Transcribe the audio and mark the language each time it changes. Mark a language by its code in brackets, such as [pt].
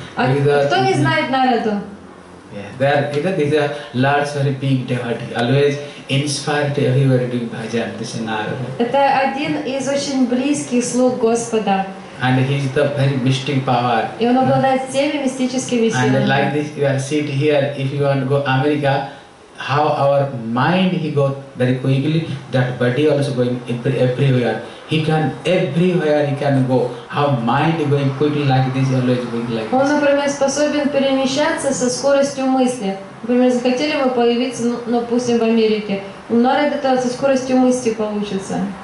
[ru] кто не знает Нараду? [en] Yeah, there is a large, very big devotee, always inspired everybody to bhajan. This is Narada. [ru] Это один из очень близких слуг Господа. [en] And he is the very mystic power. [ru] И он обладает всеми мистическими силами. [en] And like this, you are sit here. If you want to go America, how our mind he go very quickly. That body also going everywhere. He can everywhere he can go. How mind going quickly like this, always going like. [ru] Он, например, способен перемещаться со скоростью мысли. Например, захотели бы появиться, ну, допустим, в Америке. У Нарады это со скоростью мысли получится.